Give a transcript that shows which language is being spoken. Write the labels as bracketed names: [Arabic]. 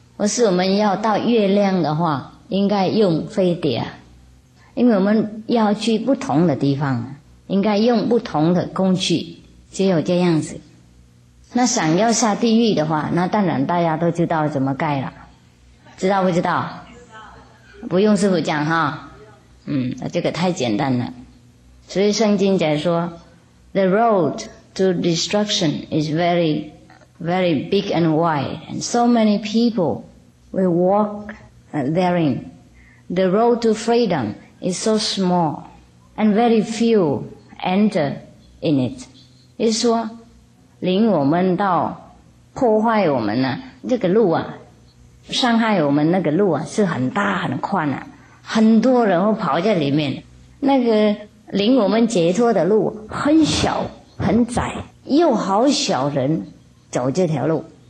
[Chinese] 或是我们要到月亮的话，应该用飞碟啊，因为我们要去不同的地方，应该用不同的工具，只有这样子。那想要下地狱的话，那当然大家都知道怎么盖了，知道不知道？不用师父讲哈，这个太简单了。所以圣经在说 [English] The road to destruction is very very big and wide, and so many people will walk therein. The road to freedom is so small and very few enter in it. [Chinese] 也就是说领我们到破坏我们这个路啊，伤害我们那个路啊，是很大很宽啊，很多人会跑在里面。那个领我们解脱的路很小很窄，又好小人走这条路。